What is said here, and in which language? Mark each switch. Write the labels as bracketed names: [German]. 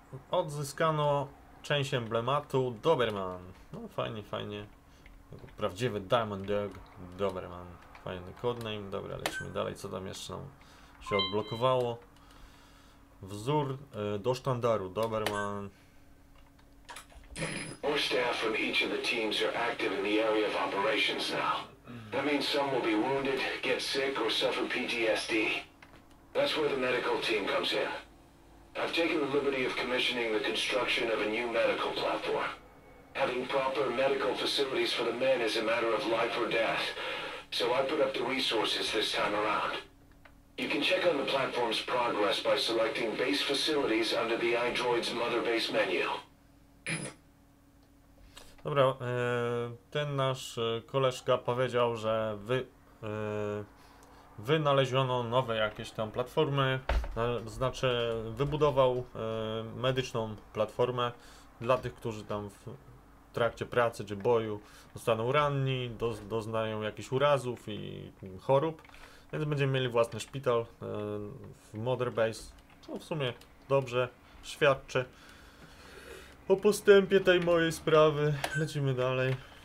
[Polish] Odzyskano część emblematu Doberman. No fajnie, fajnie. Prawdziwy Diamond Dog Doberman. Fajny codename. Dobra, lecimy dalej. Co tam jeszcze nam się odblokowało? Wzór do sztandaru Doberman. [English] More staff from each of the teams are active in the area of operations now. That means some will be wounded, get sick or suffer PTSD. That's where the medical team comes in. I've taken the liberty of commissioning the construction of a new medical platform. Having proper medical facilities for the men is a matter of life or death, so I put up the resources this time around. You can check on the platform's progress by selecting base facilities under the iDroid's Mother Base menu. [Polish] Dobra, ten nasz koleżka powiedział, że wynaleziono nowe jakieś tam platformy, znaczy wybudował medyczną platformę dla tych, którzy tam w trakcie pracy czy boju zostaną ranni, doznają jakichś urazów i chorób, więc będziemy mieli własny szpital w Mother Base, co w sumie dobrze świadczy o postępie tej mojej sprawy. Lecimy dalej.